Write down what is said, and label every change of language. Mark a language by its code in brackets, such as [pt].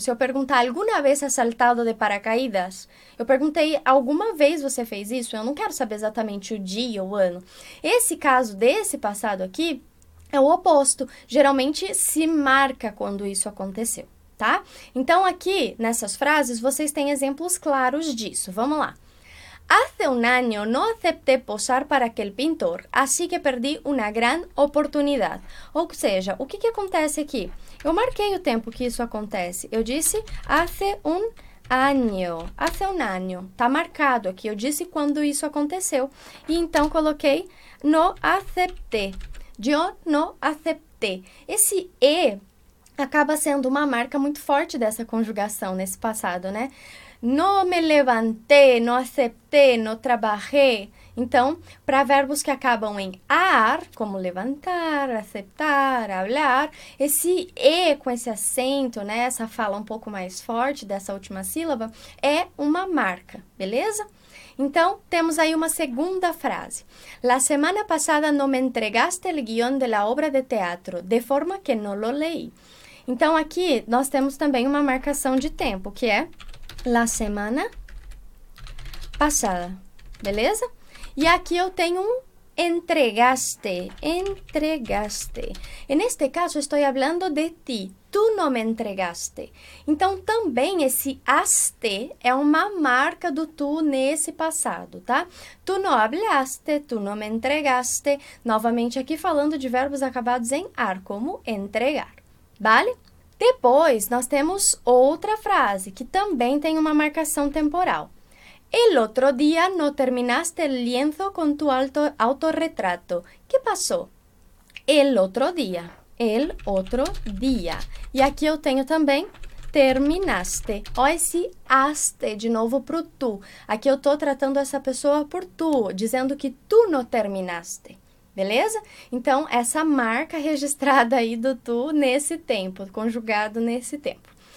[pt] Se eu perguntar alguma vez você [es] saltado de paracaídas, [pt] eu perguntei alguma vez você fez isso, eu não quero saber exatamente o dia ou o ano. Esse caso desse passado aqui é o oposto. Geralmente se marca quando isso aconteceu. Tá? Então, aqui nessas frases, vocês têm exemplos claros disso. Vamos lá. [es] Hace un año no acepté posar para aquel pintor, así que perdí una gran oportunidad. [pt] Ou seja, o que que acontece aqui? Eu marquei o tempo que isso acontece. Eu disse [es] hace un año. Hace un año. [pt] Tá marcado aqui. Eu disse quando isso aconteceu. E então coloquei no acepté. [es] Yo no acepté. [pt] Esse e acaba sendo uma marca muito forte dessa conjugação nesse passado, né? [es] No me levanté, no acepté, no trabajé. [pt] Então, para verbos que acabam em ar, como levantar, aceptar, hablar, esse e com esse acento, né? Essa fala um pouco mais forte dessa última sílaba é uma marca, beleza? Então, temos aí uma segunda frase. [es] La semana pasada no me entregaste el guión de la obra de teatro, de forma que no lo leí. [pt] Então, aqui nós temos também uma marcação de tempo, que é la semana passada, beleza? E aqui eu tenho um entregaste, entregaste. [es] En este caso, estoy hablando de ti. Tu no me entregaste. [pt] Então, também esse haste é uma marca do tu nesse passado, tá? [es] Tu no hablaste, tu no me entregaste. [pt] Novamente, aqui falando de verbos acabados em ar, como entregar, vale? Depois, nós temos outra frase que também tem uma marcação temporal. [es] El otro día no terminaste el lienzo con tu autorretrato. ¿Qué pasó? El otro día. El otro día. [pt] E aqui eu tenho também terminaste. Ó, esse haste de novo pro tu. Aqui eu tô tratando essa pessoa por tu, dizendo que [es] tu no terminaste. [pt] Beleza? Então, essa marca registrada aí do tu nesse tempo, conjugado nesse tempo.